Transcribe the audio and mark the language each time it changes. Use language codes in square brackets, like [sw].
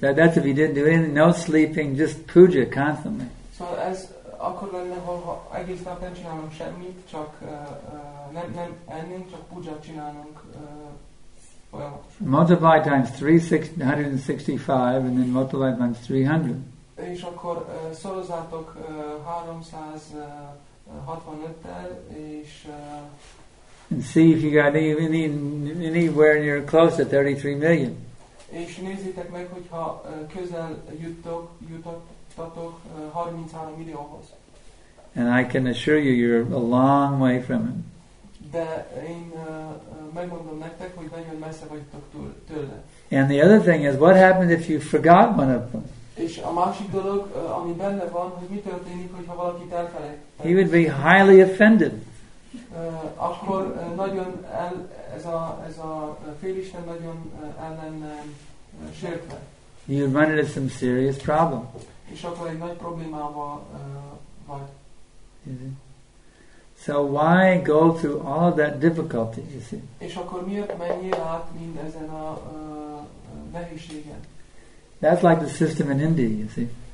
[en] That's if you didn't do anything, no sleeping, just puja constantly. [hu] So as akkor lenne, ha egész nap nem csinálunk semmit, csak nem ennénk, csak puja csinálunk folyamatosan. [en] Multiply times 365 and then multiply times 300. [hu] És akkor szorozzátok 365-tel, és [en] and see if you got anywhere near close to 33 million. [hu] És nézzétek meg, hogyha közel jutottatok 33 millióhoz. [en] And I can assure you, you're a long way from it. [hu] De én megmondom nektek, hogy nagyon messze vagytok tőle. [en] And the other thing is, what happens if you forgot one of them? [hu] És a másik dolog, ami benne van, hogy mi történik, hogyha valakit elfelejt. [en] He would be highly offended. [hu] Akkor nagyon ez a félisten nagyon ellen sértve. [en] You run into some serious problem. [hu] És akkor egy nagy problémával vagy. [en] So why go through all of that difficulty, you see? [hu] És akkor miért menjél át mind ezen a nehézségen? [en] That's like the system in India, you see.